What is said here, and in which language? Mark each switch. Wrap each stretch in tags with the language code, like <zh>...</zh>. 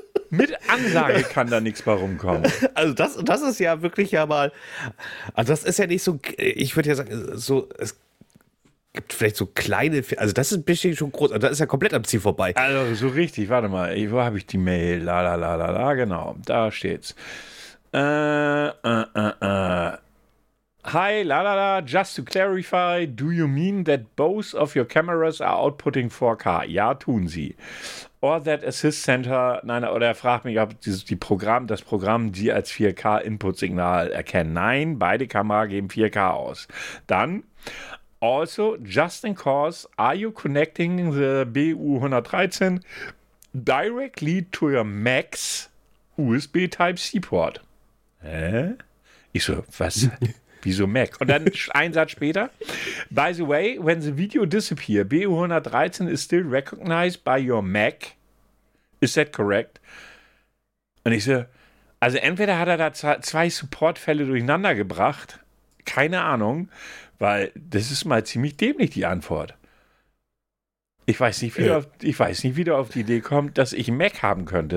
<de>Mit Ansage kann da nichts mehr rumkommen. Also das ist ja wirklich ja mal, also das ist ja nicht so, ich würde ja sagen, so, es gibt vielleicht so kleine, also das ist ein bisschen schon groß, also das ist ja komplett am Ziel vorbei. Also so richtig, warte mal, wo habe ich die Mail, genau, da steht's.</de> <en>Hi, just to clarify, do you mean that both of your cameras are outputting 4K?</en> <de>Ja, tun sie.</de> <en>Or that Assist Center,</en> <de>nein, oder er fragt mich, ob das Programm, die als 4K-Input-Signal erkennen. Nein, beide Kameras geben 4K aus. Dann, also,</de> <en>just in course, are you connecting the BU113 directly to your Mac's USB Type-C Port?</en> <de>Hä? Ich so, was? Wieso Mac? Und dann ein Satz später.</de> <en>By the way, when the video disappears, BU113 is still recognized by your Mac. Is that correct?</en> <de>Und ich so, also entweder hat er da zwei Supportfälle durcheinander gebracht, keine Ahnung, weil das ist mal ziemlich dämlich, die Antwort. Ich weiß nicht, wie der auf die Idee kommt, dass ich einen Mac haben könnte.</de>